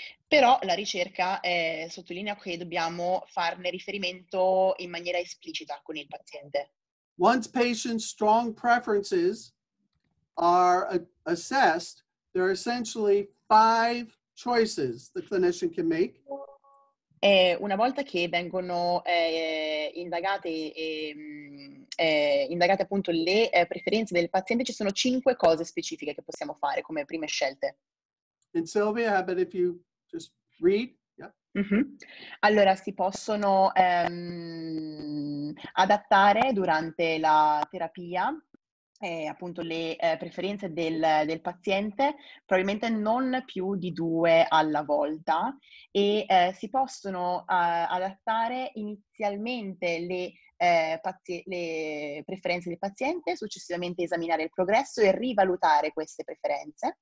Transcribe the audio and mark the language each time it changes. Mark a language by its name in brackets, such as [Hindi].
[Italian] Però la ricerca sottolinea che dobbiamo farne riferimento in maniera esplicita con il paziente. [English] Once patients' strong preferences are assessed, there are essentially five choices the clinician can make. [Italian] E una volta che vengono indagate appunto le preferenze del paziente, ci sono cinque cose specifiche che possiamo fare come prime scelte. [English] And Sylvia, how about if you just read? Mm-hmm. [Italian] Allora, si possono adattare durante la terapia appunto le preferenze del paziente, probabilmente non più di due alla volta, e si possono adattare inizialmente le preferenze del paziente, successivamente esaminare il progresso e rivalutare queste preferenze.